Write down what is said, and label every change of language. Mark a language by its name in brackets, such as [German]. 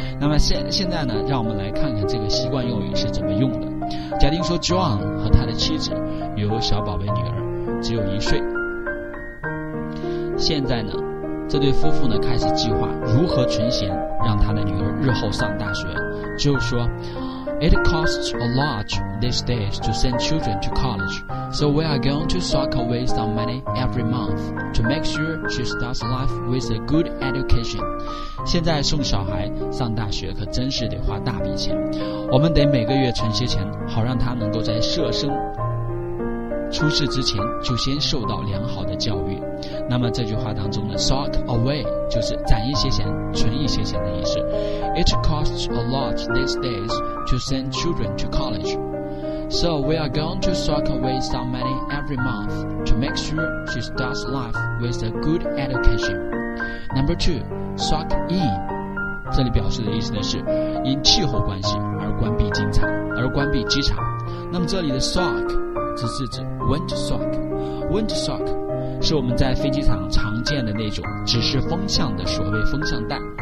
[Chinese] 那么现在呢让我们来看看这个习惯用语是怎么用的。假定说 John 和他的妻子有小宝贝女儿只有1岁，现在呢这对夫妇呢开始计划如何存钱让他的女儿日后上大学。就是说 [English] It costs a lot these days to send children to college, so we are going to sock away some money every month to make sure she starts life with a good education. [Chinese] 现在送小孩上大学可真是得花大笔钱，我们得每个月存些钱好让他能够在涉生出世之前就先受到良好的教育。那么这句话当中的 sock away 就是攒一些钱存一些钱的意思。 [English] It costs a lot these days to send children to college, so we are going to sock away some money every month to make sure she starts life with a good education. Number two, sock in, [Chinese] 这里表示的意思呢是因气候关系而关闭机场，那么这里的 sock只是指 wind sock， wind sock 是我们在飞机场常见的那种指示风向的所谓风向带。